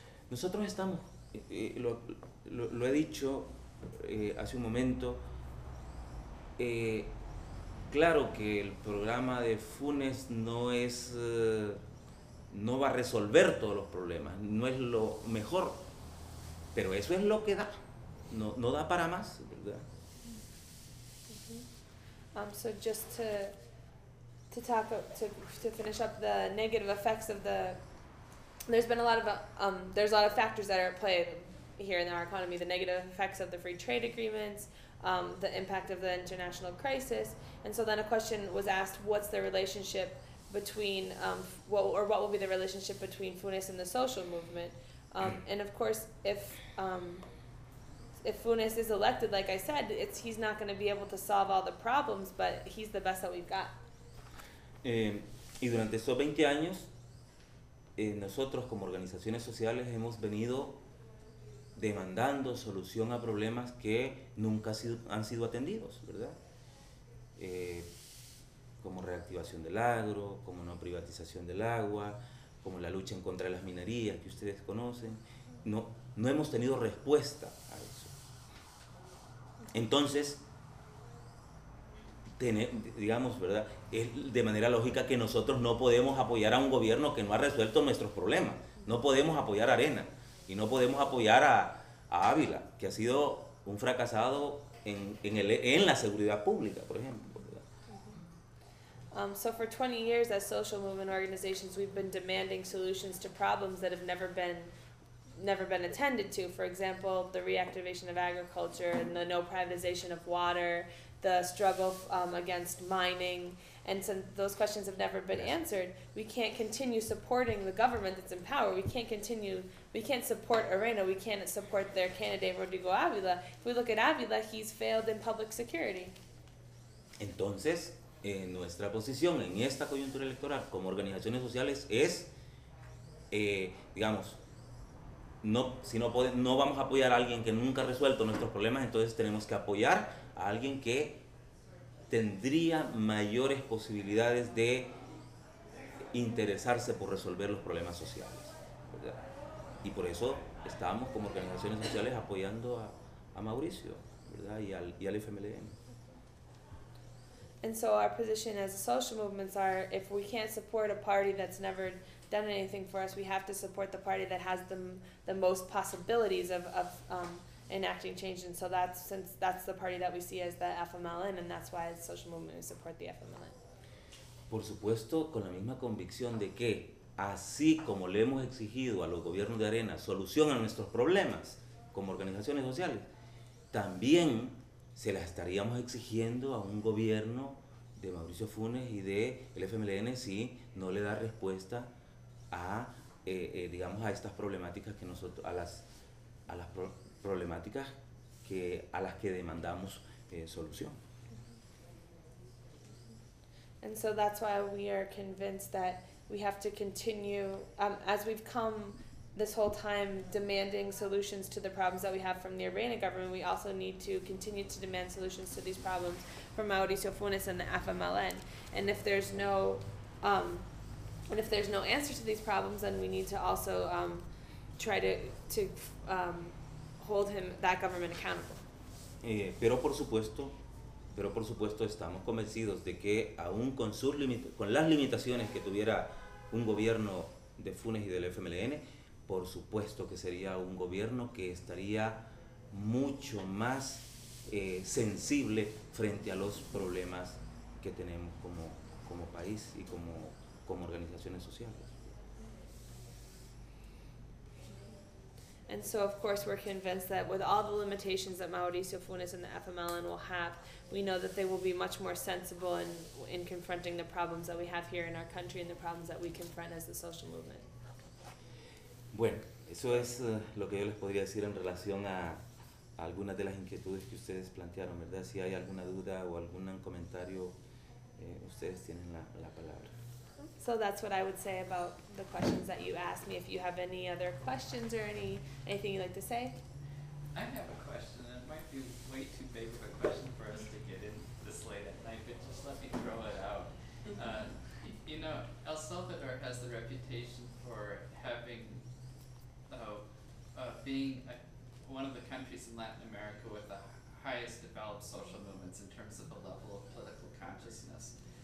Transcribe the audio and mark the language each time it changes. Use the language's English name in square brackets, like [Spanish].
[Spanish] Nosotros estamos, lo he dicho hace un momento, claro que el programa de Funes no va a resolver todos los problemas, no es lo mejor, pero eso es lo que da, no da para más, ¿verdad? Mm-hmm. [English] So just to finish up the negative effects of there's a lot of factors that are at play here in our economy, the negative effects of the free trade agreements, the impact of the international crisis. And so then a question was asked, what's the relationship between what will be the relationship between Funes and the social movement? And of course, if Funes is elected, like I said, he's not going to be able to solve all the problems, but he's the best that we've got. [Spanish] Y durante estos 20 años, nosotros como organizaciones sociales hemos venido demandando solución a problemas que nunca han sido atendidos, ¿verdad? Como reactivación del agro, como no privatización del agua, como la lucha en contra de las minerías que ustedes conocen. No hemos tenido respuesta a eso. Entonces, digamos, ¿verdad? Es de manera lógica que nosotros no podemos apoyar a un gobierno que no ha resuelto nuestros problemas. No podemos apoyar a Arena y no podemos apoyar a Ávila, que ha sido un fracasado en la seguridad pública, por ejemplo. [English] So for 20 years as social movement organizations, we've been demanding solutions to problems that have never been attended to. For example, the reactivation of agriculture and the no privatization of water, the struggle against mining, and since those questions have never been answered, we can't continue supporting the government that's in power. We can't support Arena, we can't support their candidate Rodrigo Ávila. If we look at Ávila, he's failed in public security. [Spanish] Entonces, nuestra posición en esta coyuntura electoral como organizaciones sociales es, digamos, no vamos a apoyar a alguien que nunca ha resuelto nuestros problemas, entonces tenemos que apoyar a alguien que tendría mayores posibilidades de interesarse por resolver los problemas sociales, ¿verdad? Y por eso estamos como organizaciones sociales apoyando a Mauricio, ¿verdad? Y al FMLN. [English] And so our position as social movements are, if we can't support a party that's never done anything for us, we have to support the party that has the most possibilities of enacting change. And so that's the party that we see as the FMLN, and that's why as a social movement we support the FMLN. [Spanish] Por supuesto, con la misma convicción de que, así como le hemos exigido a los gobiernos de arena solución a nuestros problemas como organizaciones sociales, también se la estaríamos exigiendo a un gobierno de Mauricio Funes y de el FMLN si no le da respuesta a, digamos, a estas problemáticas que nosotros, a las problemáticas a las que demandamos solución. [English] And so that's why we are convinced that we have to continue, as we've come this whole time demanding solutions to the problems that we have from the Arena government, we also need to continue to demand solutions to these problems from Mauricio Funes and the FMLN. And if there's no answer to these problems, then we need to also try to hold him, that government, accountable. [Spanish] Pero por supuesto estamos convencidos de que aún con las limitaciones que tuviera un gobierno de Funes y del FMLN, por supuesto que sería un gobierno que estaría mucho más sensible frente a los problemas que tenemos como país y como organizaciones sociales. [English] And so, of course, we're convinced that with all the limitations that Mauricio Funes and the FMLN will have, we know that they will be much more sensible in confronting the problems that we have here in our country and the problems that we confront as the social movement. [Spanish] Bueno, eso es lo que yo les podría decir en relación a algunas de las inquietudes que ustedes plantearon, ¿verdad? Si hay alguna duda o algún comentario, ustedes tienen la palabra. [English] So that's what I would say about the questions that you asked me. If you have any other questions or anything you'd like to say? I have a question. It might be way too big of a question for us to get in this late at night, but just let me throw it out. You know, El Salvador has the reputation for having, being one of the countries in Latin America with the highest developed social movements in terms of the level of political consciousness.